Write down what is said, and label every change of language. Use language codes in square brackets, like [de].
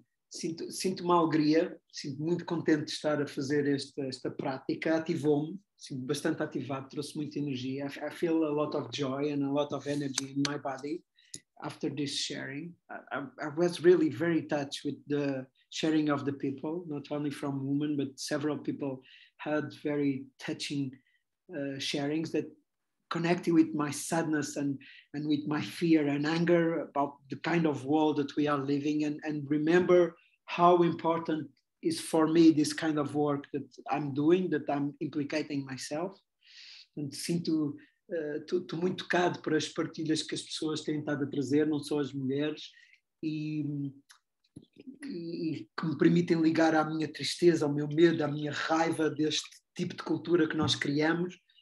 [pt] Sinto uma alegria, sinto muito contente de estar a fazer esta prática, ativou-me, sinto bastante ativado, trouxe muita energia. [en] I feel a lot of joy and a lot of energy in my body after this sharing. I was really very touched with the sharing of the people, not only from women, but several people had very touching sharings that connecting with my sadness and with my fear and anger about the kind of world that we are living in, and remember how important is for me this kind of work that I'm doing, that I'm implicating myself. [pt] And sinto to muito tocado por as partilhas que as pessoas têm estado a trazer, não só as mulheres, e que me permitem ligar à minha tristeza, ao meu medo, à minha raiva deste tipo de cultura que nós criamos.